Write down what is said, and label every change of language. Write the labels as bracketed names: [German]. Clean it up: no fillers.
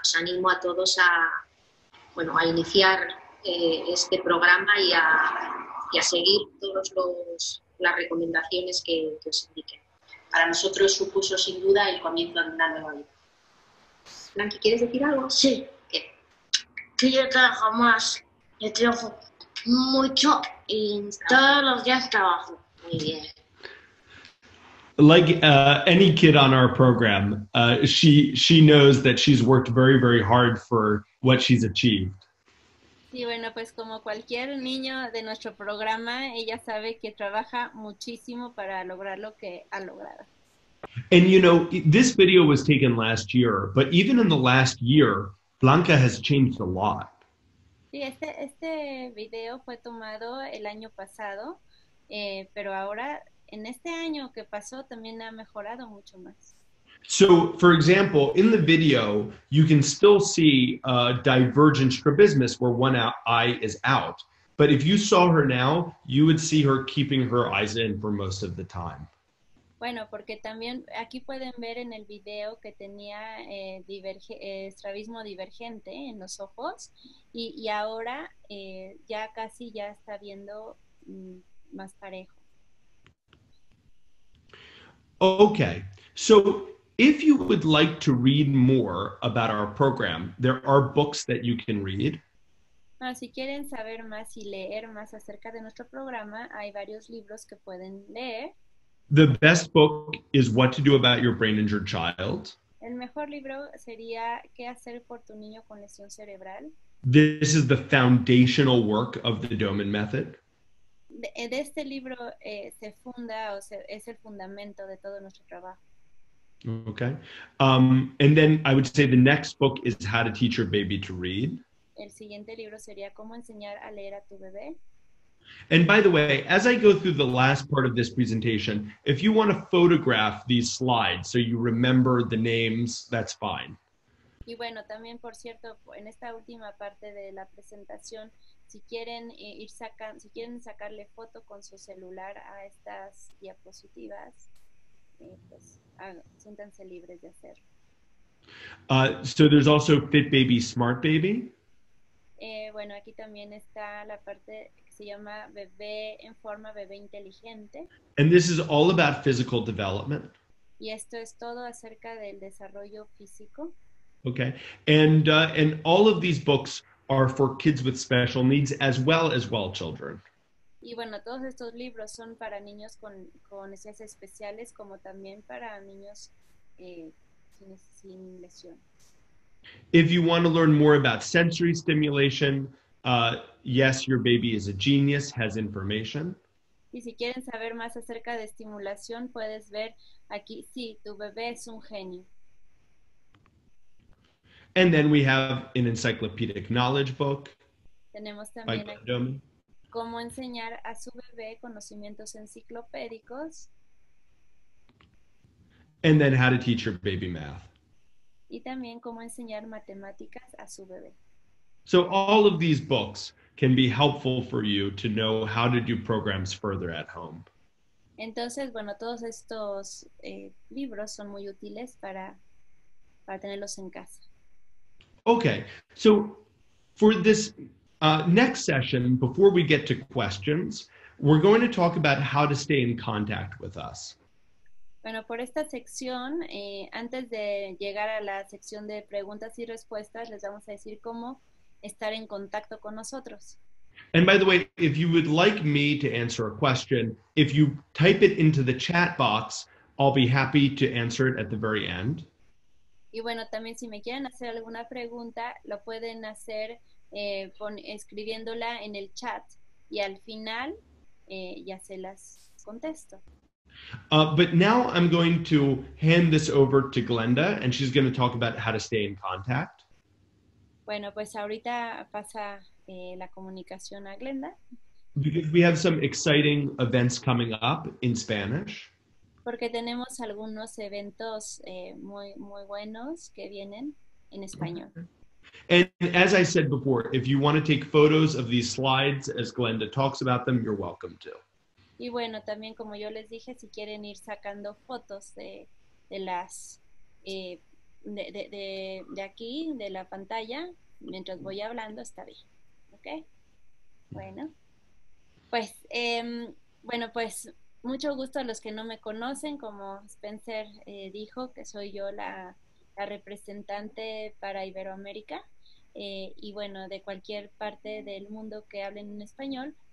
[Spanish] Os animo a todos a iniciar este programa y a seguir todas las recomendaciones que os indiquen. Para nosotros supuso sin duda el comienzo de una nueva vida. Blanqui, ¿quieres decir algo? Sí. Que yo trabajo más, yo trabajo mucho y todos los días trabajo. Muy bien. [English] Like any kid on our program, she knows that she's worked very, very hard for what she's achieved. [Spanish] Sí, bueno, pues como cualquier niño de nuestro programa, ella sabe que trabaja muchísimo para lograr lo que ha logrado. [English] And you know, this video was taken last year, but even in the last year, Blanca has changed a lot. [Spanish] Sí, este video fue tomado el año pasado, pero ahora en este año que pasó también ha mejorado mucho más. [English] So, for example, in the video, you can still see divergent strabismus where one eye is out. But if you saw her now, you would see her keeping her eyes in for most of the time. [Spanish] Bueno, porque también aquí pueden ver en el video que tenía estrabismo divergente en los ojos y ahora ya casi ya está viendo más parejo. [English] Okay, so if you would like to read more about our program, there are books that you can read. [Spanish] No, si quieren saber más y leer más acerca de nuestro programa, hay varios libros que pueden leer. [English] The best book is What to Do About Your Brain Injured Child. [Spanish] El mejor libro sería ¿Qué hacer por tu niño con lesión cerebral? [English] This is the foundational work of the Doman Method. [Spanish] De este libro se funda o es el fundamento de todo nuestro trabajo. [English] Okay. And then I would say the next book is How to Teach Your Baby to Read. [Spanish] El siguiente libro sería ¿Cómo enseñar a leer a tu bebé? [English] And by the way, as I go through the last part of this presentation, if you want to photograph these slides so you remember the names, that's fine. [Spanish] Y bueno, también por cierto, en esta última parte de la presentación, si quieren sacarle foto con su celular a estas diapositivas, pues siéntanse libres de hacerlo. [English] So there's also Fit Baby, Smart Baby. [Spanish] Bueno, aquí también está la parte que se llama Bebé en Forma, Bebé Inteligente. [English] And this is all about physical development. [Spanish] Y esto es todo acerca del desarrollo físico. [English] Okay, and all of these books are for kids with special needs as well as well children. [Spanish] Y bueno, todos estos libros son para niños con necesidades especiales como también para niños sin lesión. [English] If you want to learn more about sensory stimulation, yes, your baby is a genius, has information. [Spanish] Y si quieren saber más acerca de estimulación, puedes ver aquí, sí, tu bebé es un genio. [English] And then we have an encyclopedic knowledge book. [Spanish] Tenemos también cómo enseñar a su bebé conocimientos enciclopédicos. [English] And then how to teach your baby math. [Spanish] Y también cómo enseñar matemáticas a su bebé. [English] So all of these books can be helpful for you to know how to do programs further at home. [Spanish] Entonces, bueno, todos estos libros son muy útiles para tenerlos en casa. [English] Okay, so for this next session, before we get to questions, we're going to talk about how to stay in contact with us. [Spanish] Bueno, por esta sección, antes de llegar a la sección de preguntas y respuestas, les vamos a decir cómo estar en contacto con nosotros. [English] And by the way, if you would like me to answer a question, if you type it into the chat box, I'll be happy to answer it at the very end. [Spanish] Y bueno, también si me quieren hacer alguna pregunta, lo pueden hacer escribiéndola en el chat y al final ya se las contesto. [English] But now I'm going to hand this over to Glenda and she's going to talk about how to stay in contact. [Spanish] Bueno, pues ahorita pasa la comunicación a Glenda. [English] Because we have some exciting events coming up in Spanish. [Spanish] Porque tenemos algunos eventos muy, muy buenos que vienen en español. [English] Okay. And as I said before, if you want to take photos of these slides as Glenda talks about them, you're welcome to. [Spanish] Y bueno, también como yo les dije, si quieren ir sacando fotos de las de aquí, de la pantalla, mientras voy hablando, está bien. [English] Okay. [Spanish] Bueno, pues bueno, pues mucho gusto a los que no me conocen, como Spencer dijo, que soy yo la representante para Iberoamérica, y bueno, de cualquier parte del mundo que hablen en español.